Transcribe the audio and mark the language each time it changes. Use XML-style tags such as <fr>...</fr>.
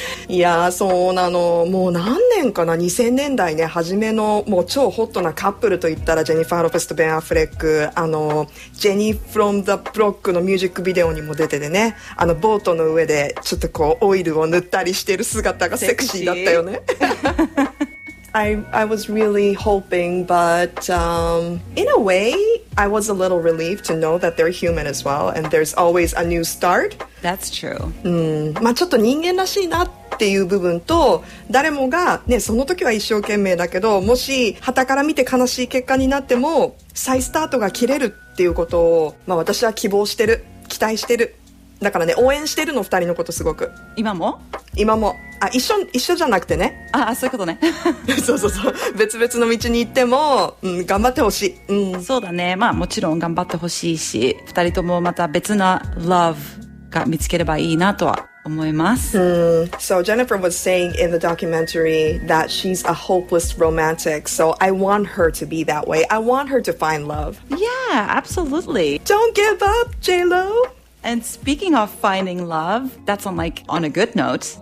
<ja>いやそうなの、もう何年かな、2000年代ね初めのもう超ホットなカップルといったらジェニファー・ロペスとベン・アフレック、あのジェニー・フロム・ザ・ブロックのミュージックビデオにも出ててね、あのボートの上でちょっとこうオイルを塗ったりしてる姿がセクシーだったよね。</ja> <en>I was really hoping, but in a way I was a little relieved to know that they're human as well and there's always a new start. That's true.</en> <ja>まあちょっと人間らしいなっていう部分と、誰もがねその時は一生懸命だけど、もし旗から見て悲しい結果になっても再スタートが切れるっていうことを、まあ、私は希望してる、期待してる、だからね応援してるの、二人のことすごく。今も？今も。あ、一緒じゃなくてね。あ、そういうことね。そうそうそう、別々の道に行っても、うん、頑張ってほしい、うん、そうだね、まあもちろん頑張ってほしいし、二人ともまた別な</ja> <en>love</en> <ja>が見つければいいなとは。</ja> <en>So Jennifer was saying in the documentary that she's a hopeless romantic. So I want her to be that way. I want her to find love. Yeah, absolutely. Don't give up, J-Lo. And speaking of finding love, that's on like on a good note.</en>